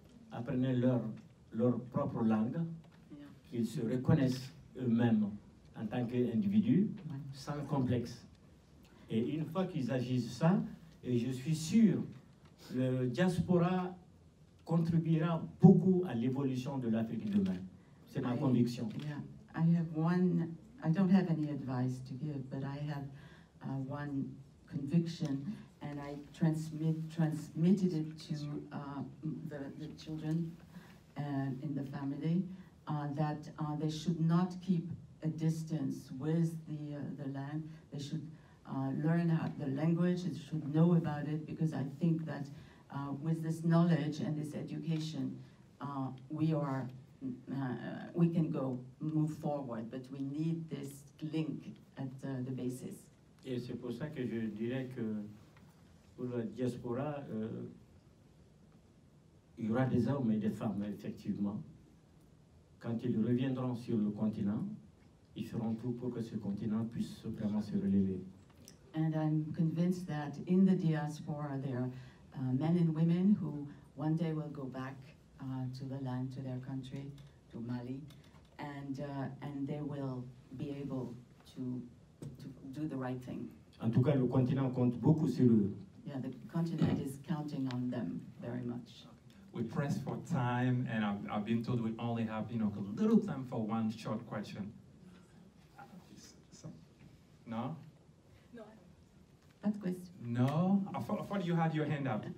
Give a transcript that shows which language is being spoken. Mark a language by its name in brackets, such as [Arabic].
[French] Apprenez leur propre langue, qu'ils se reconnaissent eux-mêmes en tant qu'individu, sans complexe. Et une fois qu'ils agissent ça, et je suis sûr, le diaspora contribuera beaucoup à l'évolution de l'Afrique demain. C'est ma conviction. [English] Yeah, I have one. I don't have any advice to give, but I have one conviction, and I transmitted it to the children and in the family that they should not keep a distance with the land. They should learn the language. They should know about it, because I think that with this knowledge and this education, we can move forward. But we need this link at the basis. [French] Et c'est pour ça que je dirais que pour la diaspora, il y aura des hommes et des femmes effectivement quand ils reviendront sur le continent. Ils feront tout pour que ce continent puisse vraiment se relever. [English] And I'm convinced that in the diaspora there are men and women who one day will go back to the land, to their country, to Mali, and they will be able to do the right thing. [French] En tout cas, le continent compte beaucoup sur eux. [English] Yeah, the continent is counting on them very much. We press for time, and I've been told we only have a little time for one short question. No? That question. No? I thought you had your hand up.